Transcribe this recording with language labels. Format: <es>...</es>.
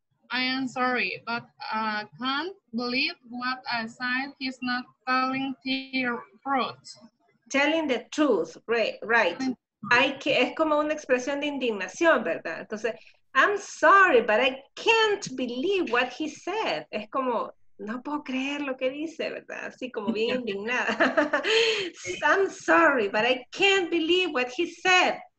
<en>I am sorry, but I can't believe what I said. He's not telling the truth. Telling the truth, right.</en> <es>Es como una expresión de indignación, ¿verdad? Entonces,</es> <en>I'm sorry, but I can't believe what he said.</en> <es>Es como, no puedo creer lo que dice, ¿verdad? Así como bien indignada.</es> <en>I'm sorry, but I can't believe what he said.</en>